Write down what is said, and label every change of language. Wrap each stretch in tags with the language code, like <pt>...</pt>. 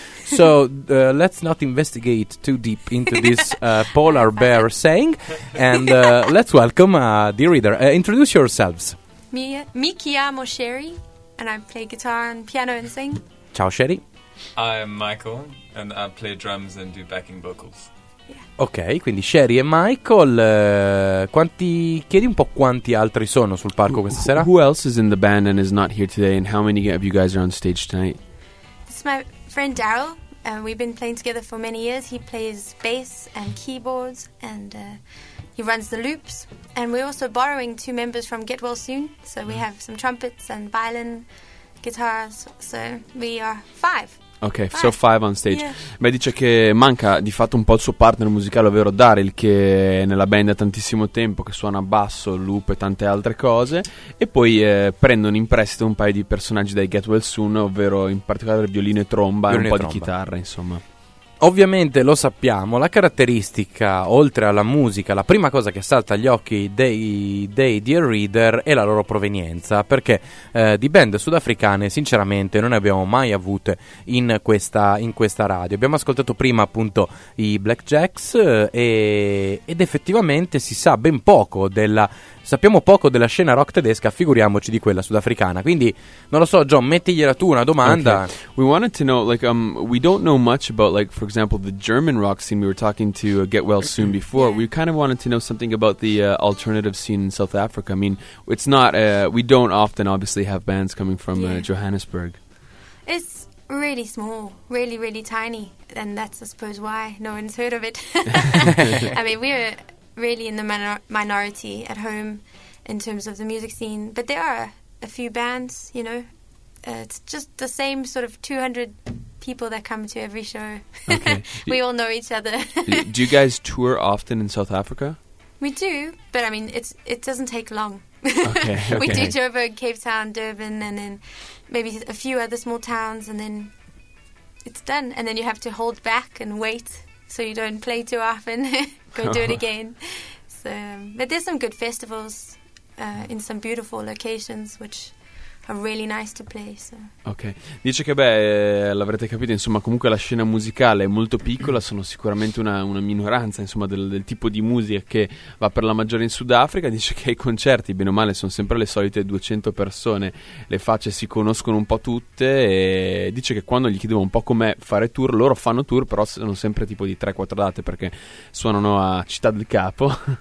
<en>So let's not investigate too deep into this polar bear saying, and let's welcome dear reader. Introduce yourselves.</en> <it>Mi chiamo</it> <en>Sherry, and I play guitar and piano and sing.</en> <it>Ciao Sherry.</it> <en>I am Michael, and I play drums and do backing vocals. Yeah.</en> <it>Ok, quindi Sherry e Michael, chiedi un po' quanti altri sono sul palco questa sera.</it> <en>Who else is in the band and is not here today, and how many of you guys are on stage tonight? It's my friend Daryl, and we've been playing together for many years. He plays bass and keyboards, and he runs the loops. And we're also borrowing two members from Get Well Soon, so we have some trumpets and violin, guitars. So we are five. Okay, five. So five on stage. Yeah.</en> <it>Beh, dice che manca di fatto un po' il suo partner musicale, ovvero Daryl, che è nella band da tantissimo tempo, che suona basso, loop e tante altre cose. E poi prendono in prestito un paio di personaggi dai Get Well Soon, ovvero in particolare violino e tromba violino e un po' tromba. Di chitarra, insomma. Ovviamente lo sappiamo, la caratteristica oltre alla musica, la prima cosa che salta agli occhi dei Dear Reader è la loro provenienza, perché di band sudafricane sinceramente non ne abbiamo mai avute in questa radio. Abbiamo ascoltato prima appunto i Black Jacks ed effettivamente si sa ben poco della... Sappiamo poco della scena rock tedesca, figuriamoci di quella sudafricana. Quindi, non lo so, John, mettigliela tu una domanda.</it> <en>Okay. We wanted to know, like, we don't know much about, like, for example, the German rock scene. We were talking to Get Well Soon before. We kind of wanted to know something about the alternative scene in South Africa. I mean, it's not, we don't often obviously have bands coming from Johannesburg. It's really small, really, really tiny. And that's, I suppose, why no one's heard of it. I mean, we're... really in the minority at home in terms of the music scene. But there are a few bands, you know. It's just the same sort of 200 people that come to every show. Okay. We all know each other. Do you guys tour often in South Africa? We do, but I mean, it doesn't take long. Okay. We do Joburg, Cape Town, Durban, and then maybe a few other small towns, and then it's done. And then you have to hold back and wait so you don't play too often. Go do it again. So, but there's some good festivals in some beautiful locations, which are really nice to play. So. Okay.</en> <it>Dice che, beh, l'avrete capito, insomma, comunque la scena musicale è molto piccola, sono sicuramente una minoranza, insomma, del tipo di musica che va per la maggiore in Sudafrica. Dice che i concerti, bene o male, sono sempre le solite 200 persone, le facce si conoscono un po' tutte, e dice che quando gli chiedevo un po' com'è fare tour, loro fanno tour, però sono sempre tipo di 3-4 date, perché suonano a Città del Capo,</it>